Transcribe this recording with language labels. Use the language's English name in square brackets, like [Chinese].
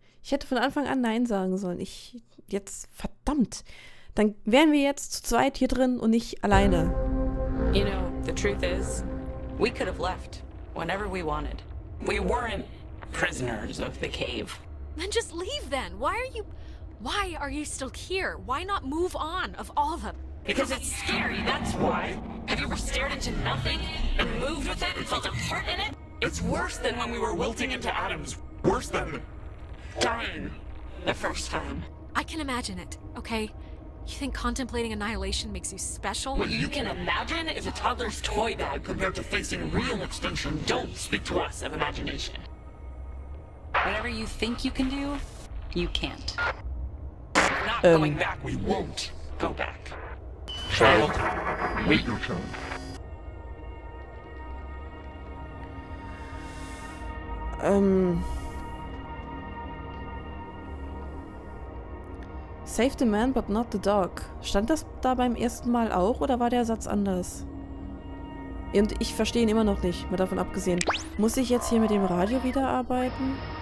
[German] Ich hätte von Anfang an Nein sagen sollen. Verdammt. Dann wären wir jetzt zu zweit hier drin und nicht alleine. [English] You know, the truth is, we could have left whenever we wanted. We weren't prisoners of the cave. Then just leave then. Why are you still here? Why not move on of all the... Because it's scary, that's why. Have you ever stared into nothing and moved with it and felt a part in it? It's worse than when we were wilting into atoms. Worse than dying the first time. I can imagine it, okay? You think contemplating annihilation makes you special? What you can imagine is a toddler's toy bag compared to facing real extinction. Don't speak to us of imagination. Whatever you think you can do, you can't. We're not going back. We won't go back. Child, wait your turn. Save the man, but not the dog. [German] Stand das da beim ersten Mal auch oder war der Satz anders? Und ich verstehe ihn immer noch nicht, mal davon abgesehen. Muss ich jetzt hier mit dem Radio wieder arbeiten?